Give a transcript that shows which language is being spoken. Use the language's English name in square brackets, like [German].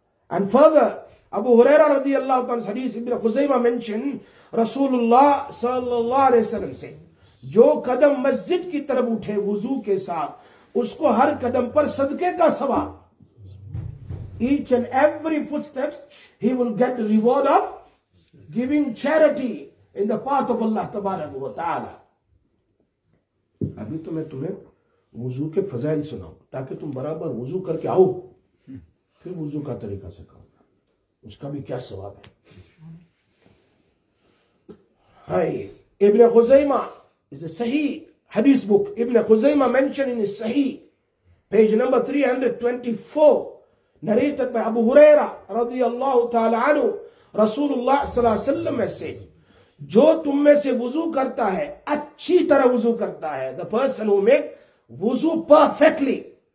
[English] And further, Abu Huraira radiallahu ta'ala's hadith, Ibn Khuzaimah mentioned, Rasulullah sallallahu alayhi wa sallam said, [Urdu] جو قدم مسجد کی طرف اٹھے وضو کے ساتھ, اس کو ہر قدم پر صدقے کا ثواب. [English] Each and every footsteps he will get the reward of giving charity in the path of Allah تبارک و تعالی. [Urdu] ابھی تو میں تمہیں وضو کے فضائل سناؤں تاکہ تم برابر وضو کر کے آؤ, پھر وضو کا طریقہ سکھاؤں, اس کا بھی کیا ثواب ہے. [English] ہائے Ibn Khuzaimah is a sahih hadith book. Ibn Khuzaimah mentioned in his sahih, page number 324, narrated by Abu Huraira radiyallahu ta'ala anhu, Rasulullah sallallahu alaihi wasallam has said, [Urdu] jo tum mein se wuzu karta hai, [English] achhi tarah wuzu karta hai, the person who make wuzu perfectly,